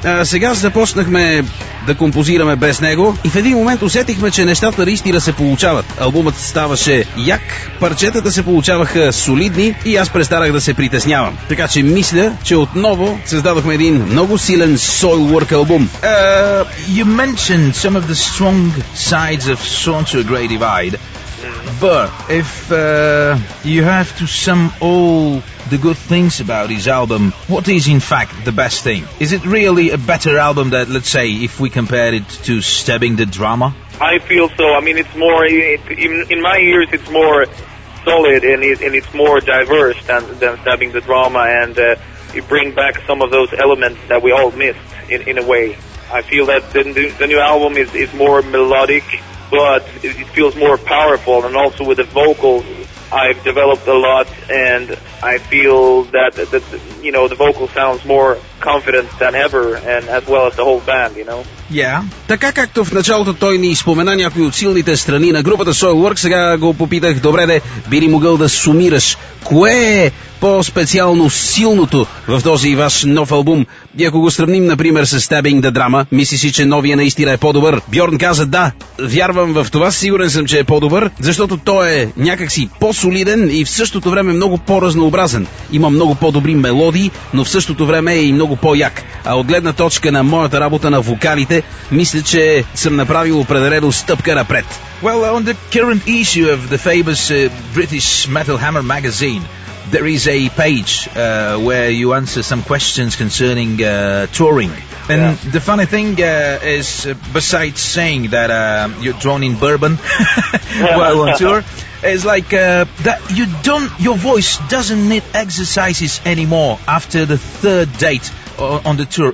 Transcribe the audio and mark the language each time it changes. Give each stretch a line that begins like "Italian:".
Bulgarian: А сега започнахме да композираме без него и в един момент усетихме, че нещата наистина се получават. Албумът ставаше як, парчетата се получаваха солидни и аз престарах да се притеснявам. Така че мисля, че отново създадохме един много силен Soilwork албум.
English: You mentioned some of the strong sides of Song to a Great Divide. But if you have to sum all the good things about his album, what is in fact the best thing? Is it really a better album that, let's say, if we compare it to Stabbing the Drama? I feel so. I mean, it's more, in my ears, it's more solid and it's more diverse than Stabbing the Drama. And it brings back some of those elements that we all missed in a way. I feel that the new album is more melodic. But it feels more powerful, and also with the vocals, I've developed a lot, and I feel that you know, the vocal sounds more confident than ever, and as well as the whole band, you know. Yeah.
Bulgarian: Така както в началото той ни спомена някои от силните страни на групата Soilwork, сега го попитах, добре де, би ли могъл да сумираш кое е по-специално силното в този ваш нов албум? И ако го сравним, например, с Stabbing the Drama, мислиш си, че новия наистина е по-добър? Бьорн каза да, вярвам в това, сигурен съм, че е по-добър, защото той е някакси по-солиден и в същото време много по-разнообразен. Има много по-добри мелодии, но в същото време е и много по-як. А от гледна точка на моята работа на вокалите, мисля, че съм направил определено стъпка напред.
English: Well, on the current issue of the famous British Metal Hammer magazine, there is a page where you answer some questions concerning touring. And yeah, the funny thing is, besides saying that you're drawn in bourbon while on tour, it's like that your voice doesn't need exercises anymore after the third date on the tour.